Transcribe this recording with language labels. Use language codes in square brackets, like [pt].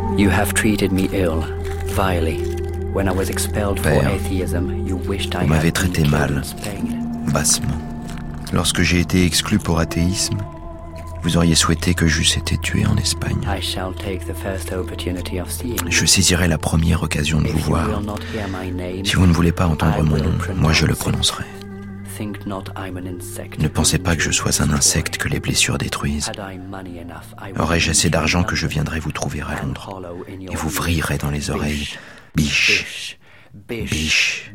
[en] Have treated me ill, vilely. When I was expelled for atheism, you wished I had. [fr] Vous m'avez traité mal, bassement. Lorsque j'ai été exclu pour athéisme, vous auriez souhaité que j'eusse été tué en Espagne. [en] I shall take the first opportunity of seeing you. [fr] Je saisirai la première occasion de vous voir. Si vous ne voulez pas entendre mon nom, moi je le prononcerai. [en] Think not I'm an insect. [fr] Ne pensez pas que je sois un insecte que les blessures détruisent. Aurais-je assez d'argent que je viendrais vous trouver à Londres et vous vrirais dans les oreilles, biche, biche,